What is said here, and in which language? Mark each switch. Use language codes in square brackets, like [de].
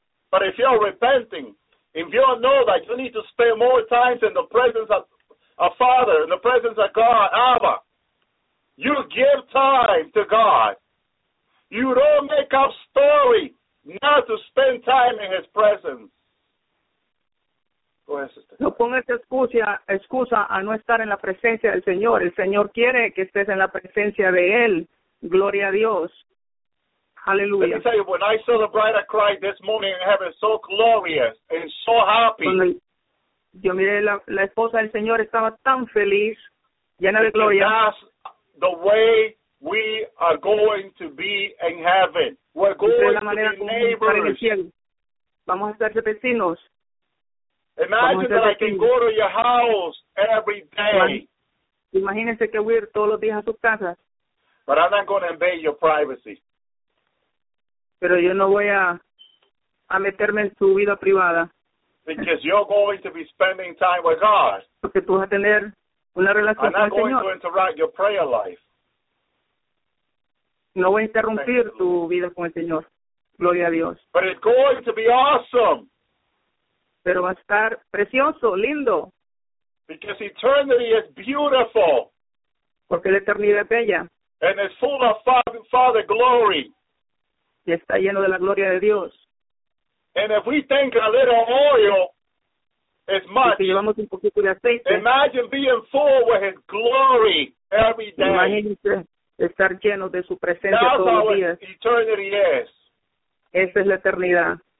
[en] But if you're repenting, if you know that you need to spend more time in the presence of a Father, in the presence of God, Abba, you give time to God. You don't make up story not to spend time in his presence. [es] No pongas excusa a no estar en la presencia del Señor. El Señor quiere que estés en la presencia de Él. Gloria a Dios. Aleluya. [en] Let me tell you, when I saw the bride of Christ this morning in heaven, so glorious and so happy. [es] Cuando yo miré la esposa del Señor, estaba tan feliz, llena de gloria. [en] That's the way we are going to be in heaven. We're going to be neighbors. [es] Vamos a ser vecinos. [en] Imagine that I can go to your house every day. [es] Imagínese que voy todos los días a sus casas. [en] But I'm not going to invade your privacy. [es] Pero yo no voy a meterme en su vida privada. [en] Because you're going to be spending time with God. [es] Porque tú vas a tener una relación con el Señor. [en] I'm not going to interrupt your prayer life. [es] No voy a interrumpir tu vida con el Señor. Gloria a Dios. [en] But it's going to be awesome. [es] Pero va a estar precioso, lindo. [en] Because eternity is beautiful. [es] Porque la eternidad es bella. [en] And it's full of Father glory. [es] Y está lleno de la gloria de Dios. [en] And if we think a little oil is much. [es] Si llevamos un poquito de aceite. [en] Imagine being full with his glory every day. [es] Imagínese estar lleno de su presencia [en] that's [es] todos los días. [en] That's how eternity is. [es] Esa es la eternidad.